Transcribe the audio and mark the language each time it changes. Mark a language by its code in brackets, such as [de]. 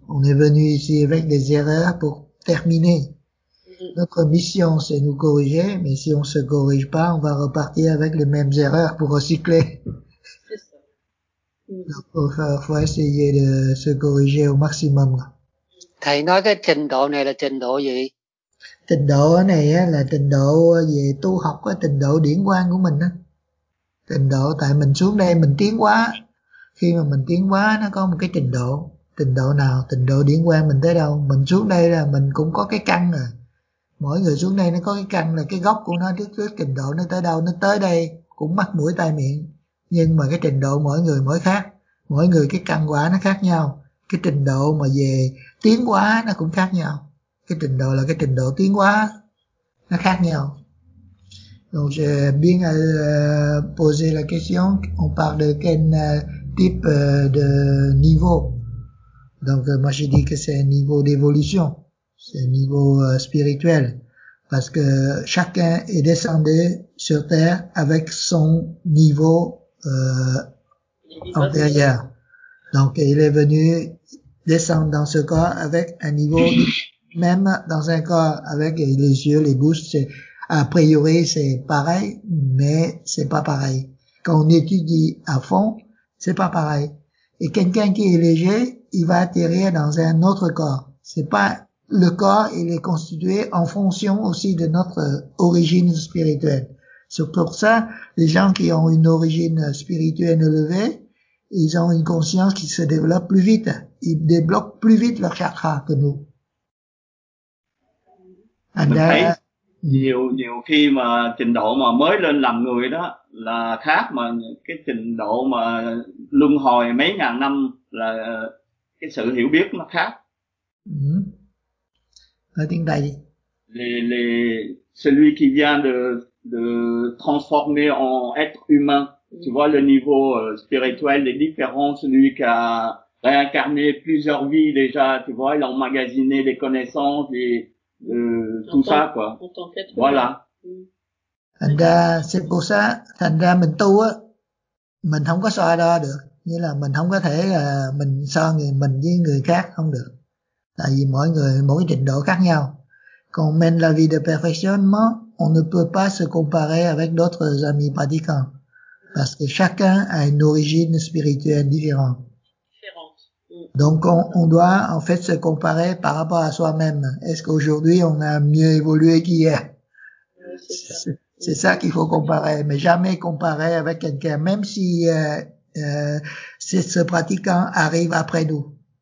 [fr] On est venu ici avec des erreurs pour terminer. Notre mission, c'est nous corriger, mais si on se corrige pas, on va repartir avec les mêmes erreurs pour recycler. C'est ça. Donc, faut essayer de se corriger au maximum. [vi] Thầy nói cái trình độ này là trình độ gì? Trình độ này là trình độ về tu học, trình độ điển quang của mình. Trình độ tại mình xuống đây mình tiến quá. Khi mà mình tiến quá nó có một cái trình độ. Trình độ nào? Trình độ điển quang mình tới đâu? Mình xuống đây là mình cũng có cái căn rồi. Mỗi người xuống đây nó có cái căn, là cái gốc của nó, trước trình độ nó tới đâu. Nó tới đây cũng mắt mũi tai miệng. Nhưng mà cái trình độ mỗi người mỗi khác. Mỗi người cái căn quả nó khác nhau. Cái trình độ mà về tiến hóa nó cũng khác nhau. Cái trình độ là cái trình độ tiến hóa nó khác nhau. [fr] Donc je viens à poser la question, on parle de quel type de niveau. Donc moi je dis que c'est un niveau d'évolution. c'est le niveau spirituel, parce que chacun est descendu sur terre avec son niveau antérieur. Donc, il est venu descendre dans ce corps avec un niveau, même dans un corps avec les yeux, les bouches, c'est, a priori, c'est pareil, mais c'est pas pareil. Quand on étudie à fond, c'est pas pareil. Et quelqu'un qui est léger, il va atterrir dans un autre corps. C'est pas le corps, il est constitué en fonction aussi de notre origine spirituelle. C'est pour ça, les gens qui ont une origine spirituelle élevée, ils ont une conscience qui se développe plus vite. Ils débloquent plus vite leur chakra que nous. [vi] Thấy nhiều khi mà trình độ mà mới lên làm người đó là khác, mà cái trình độ mà luân hồi mấy ngàn năm là cái sự hiểu biết nó khác. Nói tiếng Tây đi. [fr] Celui qui vient de transformer en être humain, tu vois le niveau spirituel est différent, celui qui a réincarné plusieurs vies déjà, tu vois, il a emmagasiné des connaissances et tout ça quoi. Voilà. [vi] Thành ra, [fr] c'est pour ça, [vi] thành ra mình tu á, mình không có so đo được. Nghĩa là mình không có thể là mình so người mình với người khác, không được. Tại vì mỗi người mỗi trình độ khác nhau. [fr] Còn mène la vie de perfectionnement, on ne peut pas se comparer avec d'autres amis pratiquants. Parce que chacun a une origine spirituelle différente. Donc on doit en fait se comparer par rapport à soi-même. Est-ce qu'aujourd'hui on a mieux évolué qu'hier? C'est ça qu'il faut comparer, mais jamais comparer avec quelqu'un, même si ce pratiquant arrive après nous.